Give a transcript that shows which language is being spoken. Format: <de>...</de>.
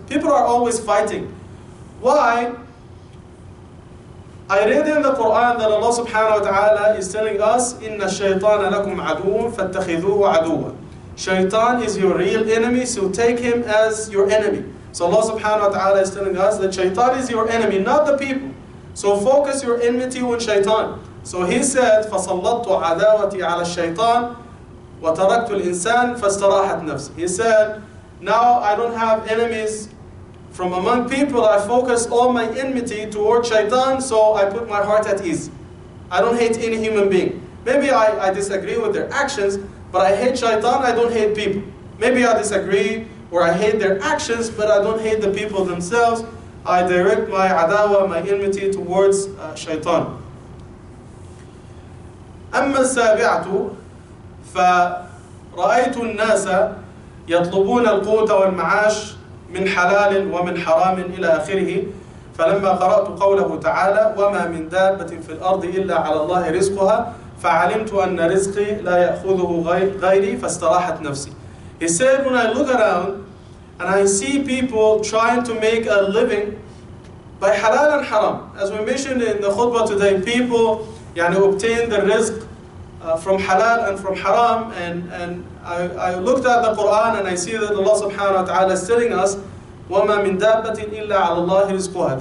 <en>People are always fighting. Why? I read in the Quran that Allah subhanahu wa ta'ala is telling us,</en> <ar>إِنَّ الشَّيْطَانَ لَكُمْ عَدُوٌ فَاتَّخِذُوهُ عَدُوًا.</ar> <en>Shaitan is your real enemy, so take him as your enemy. So Allah subhanahu wa ta'ala is telling us that shaitan is your enemy, not the people. So focus your enmity on shaitan. So he said,</en> <ar>فَصَلَّطُ عَدَاوَتِي عَلَى الشَّيْطَانِ وَتَرَكْتُ الْإِنسَانِ فَاسْتَرَاحَتْ نَفْسِ.</ar> <en>He said, now I don't have enemies from among people. I focus all my enmity toward shaitan, so I put my heart at ease. I don't hate any human being. Maybe I disagree with their actions, but I hate shaitan, I don't hate people. Maybe I disagree or I hate their actions, but I don't hate the people themselves. I direct my adawa, my enmity towards shaitan.</en> <ar>أما السابعة فرأيت الناس يطلبون القوت والمعاش من حلال ومن حرام إلى آخره فلما قرأت قوله تعالى وما من دابة في الأرض إلا على الله رزقها فعلمت أن رزقي لا يأخذه غيري فاستراحت نفسي.</ar> <en>He said, when I look around And I see people trying to make a living by halal and haram. As we mentioned in the khutbah today, people يعني, obtain the rizq from halal and from haram. And I looked at the Quran and I see that Allah subhanahu wa ta'ala is telling us,</en> <ar>وَمَا مِن دَابَّةٍ إِلَّا عَلَى اللَّهِ رِزْقُهَا.</ar>